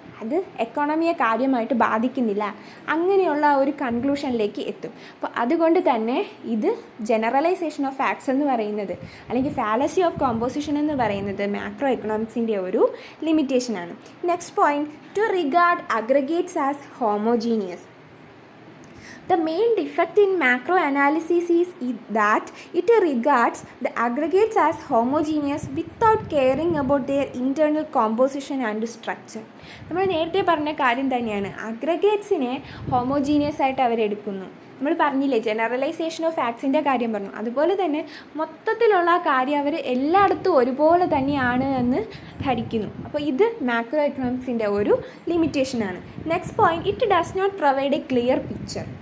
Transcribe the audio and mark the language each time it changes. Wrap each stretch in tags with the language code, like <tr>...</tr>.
<ml>അത് എക്കോണമിയെ കാര്യമായിട്ട് ബാധിക്കുന്നില്ല, അങ്ങനെയുള്ള ഒരു കൺക്ലൂഷനിലേക്ക് എത്തും. അപ്പോൾ അതുകൊണ്ട് തന്നെ ഇത് ജനറലൈസേഷൻ ഓഫ് ഫാക്ട്സ് എന്ന് പറയുന്നത്, അല്ലെങ്കിൽ ഫാലസി ഓഫ് കോമ്പോസിഷൻ എന്ന് പറയുന്നത് മാക്രോ എക്കണോമിക്സിൻ്റെ ഒരു ലിമിറ്റേഷനാണ്.</ml> <en>Next point, to regard aggregates as homogeneous. The main defect in macro analysis is that it regards the aggregates as homogeneous without caring about their internal composition and structure.</en> <ml>നമ്മൾ നേരത്തെ പറഞ്ഞ കാര്യം തന്നെയാണ്, അഗ്രഗേറ്റ്സിനെ homogeneous ആയിട്ട് അവരെടുക്കുന്നു. നമ്മൾ പറഞ്ഞില്ലേ generalisation of ഫാക്ട്സിൻ്റെ കാര്യം പറഞ്ഞു, അതുപോലെ തന്നെ മൊത്തത്തിലുള്ള കാര്യം അവർ എല്ലായിടത്തും ഒരുപോലെ തന്നെയാണ് എന്ന് ധരിക്കുന്നു. അപ്പോൾ ഇത് മാക്രോ എക്കണോമിക്സിൻ്റെ ഒരു ലിമിറ്റേഷനാണ്. Next point,</ml> <en>It does not provide a clear picture.</en>